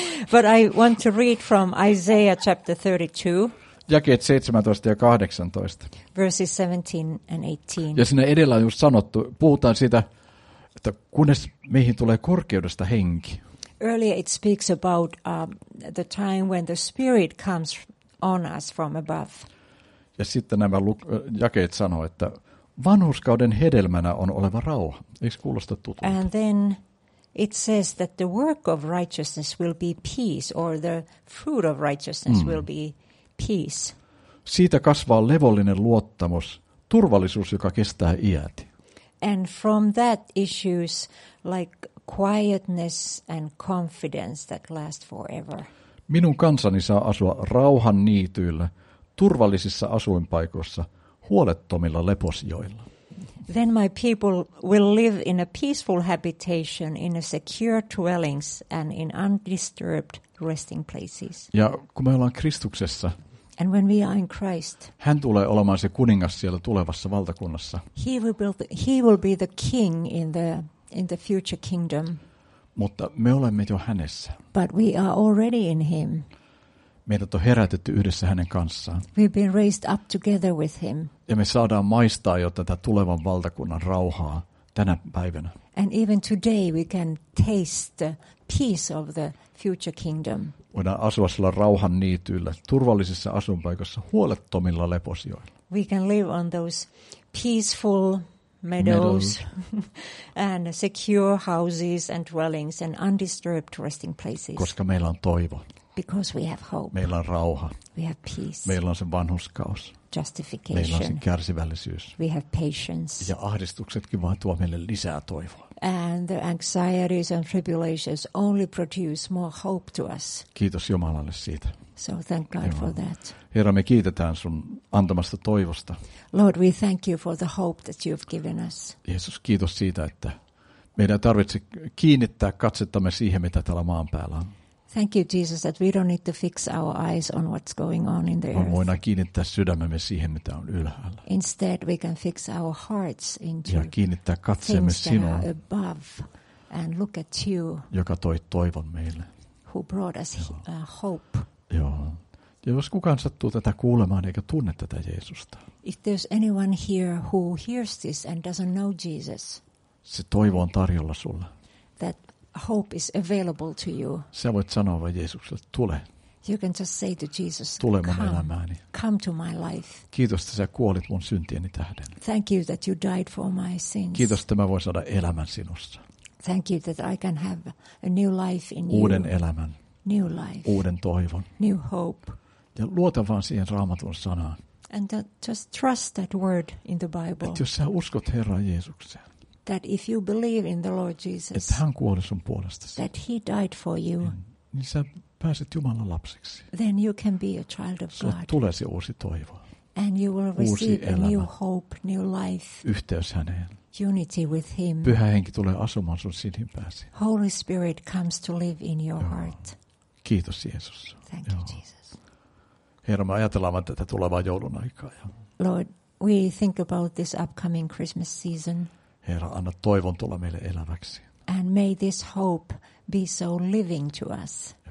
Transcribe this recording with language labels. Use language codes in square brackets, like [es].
[en] But I want to read from Isaiah chapter 32. [fi] Jakeet 17 ja 18. [en] Verses 17 and 18. [fi] Ja siinä edellä on just sanottu, puhutaan siitä, että kunnes meihin tulee korkeudesta henki. [en] Earlier it speaks about the time when the spirit comes on us from above. [fi] Ja sitten nämä jakeet sanoo, että vanhurskauden hedelmänä on oleva rauha. Eikö kuulosta tutulta? [en] And then it says that the work of righteousness will be peace, or the fruit of righteousness will be peace. [fi] Siitä kasvaa levollinen luottamus, turvallisuus, joka kestää iät. [en] And from that issues like quietness and confidence that last forever. [fi] Minun kansani saa asua rauhan niityillä, turvallisissa asuinpaikoissa, huolettomilla leposijoilla. [en] Then my people will live in a peaceful habitation, in a secure dwellings and in undisturbed resting places. [fi] Ja kun me ollaan Kristuksessa, [en] and when we are in Christ, [fi] hän tulee olemaan se kuningas siellä tulevassa valtakunnassa. [en] He will be the king in the future kingdom. [fi] Mutta me olemme jo hänessä. [en] But we are already in him. [fi] Meidät on herätetty yhdessä hänen kanssaan. [en] We've been raised up together with him. [fi] Ja me saadaan maistaa jo tätä tulevan valtakunnan rauhaa tänä päivänä. [en] And even today we can taste the peace of the future kingdom. [fi] Voidaan asua sillä rauhan niityillä, turvallisessa asunpaikassa, huolettomilla leposijoilla. [en] We can live on those peaceful meadows and secure houses and dwellings and undisturbed resting places. [fi] Koska meillä on toivo. [en] Because we have hope. [fi] Meillä on rauha. [en] We have peace. [fi] Meillä on se vanhurskaus. [en] Justification. [fi] Meillä on se kärsivällisyys. [en] We have patience. [fi] Ja ahdistuksetkin vaan tuo meille lisää toivoa. [en] And the anxieties and tribulations only produce more hope to us. [fi] Kiitos Jumalalle siitä. [en] So thank God for that. [fi] Herra, me kiitetään sun antamasta toivosta. [en] Lord, we thank you for the hope that you've given us. [fi] Jeesus, kiitos siitä, että meidän tarvitse kiinnittää katsettamme siihen, mitä täällä maan päällä on. [en] Thank you, Jesus, that we don't need to fix our eyes on what's going on in the earth. [fi] Me voidaan kiinnittää sydämemme siihen, mitä on ylhäällä. [en] Instead, we can fix our hearts into [fi] ja kiinnittää katseemme sinua, [en] that are above and look at you, [fi] joka toi toivon meille. [en] Who brought us hope. [fi] Joo. Ja jos kukaan sattuu tätä kuulemaan eikä tunne tätä Jeesusta. [en] If there's anyone here who hears this and doesn't know Jesus. [fi] Se toivo on tarjolla sulle. [en] Hope is available to you. [fi] Sä voit sanoa vain Jeesukselle, tule. [en] You can just say to Jesus, [fi] tule mun elämääni. [en] Come to my life. [fi] Kiitos, että sä kuolit mun syntieni tähden. [en] Thank you that you died for my sins. [fi] Kiitos, että mä voin saada elämän sinussa. [en] Thank you that I can have a new life in [fi] uuden [en] you. [fi] Elämän. [en] New life. [fi] Uuden toivon. [en] New hope. [fi] Ja luota vaan siihen Raamatun sanaan. [en] And just trust that word in the Bible. [fi] Että jos sä uskot Herran Jeesukseen. [en] That if you believe in the Lord Jesus, [fi] että hän kuoli sun puolestasi, [en] that he died for you, [fi] niin sä pääset Jumalan lapsiksi. [en] Then you can be a child of God. [fi] Tulee se uusi toivo. [en] And you will receive a new hope, new life. [fi] Yhteys häneen. [en] Unity with him. [fi] Pyhä Henki tulee asumaan sun sinin pääsi. [en] Holy Spirit comes to live in your heart. [fi] Kiitos Jeesus. [en] Thank you Jesus. [fi] Herra, me ajatellaan vaan tätä tulevaa joulun aikaa. [en] Lord, we think about this upcoming Christmas season. [fi] Herra, anna toivon tulla meille eläväksi. [en] And may this hope be so living to us.